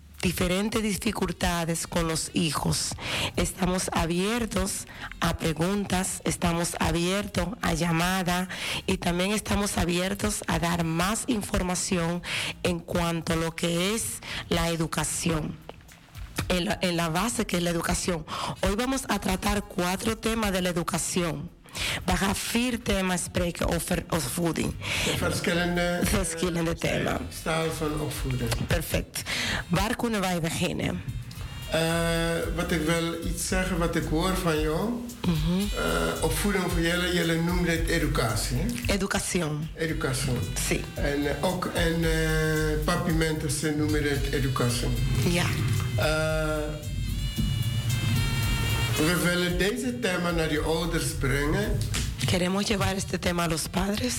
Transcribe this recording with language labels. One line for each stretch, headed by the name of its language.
Spanish: diferentes dificultades con los hijos. Estamos abiertos a preguntas, estamos abiertos a llamada y también estamos abiertos a dar más información en cuanto a lo que es la educación. En la base que es la educación. Hoy vamos a tratar cuatro temas de la educación.
Dutch: Baja vier thema's spreken over opvoeding. Verschillende thema's. Stijl van opvoeden. Perfect. Waar kunnen wij beginnen? Wat ik wil iets zeggen, wat ik hoor van jou. Mm-hmm. Opvoeding voor jullie, jullie noemen het educatie. Educatie. Sí. En ook en papimenten, ze noemen het educatie. Ja. We willen deze thema naar de ouders brengen.
Spanish: Queremos llevar este tema a los padres.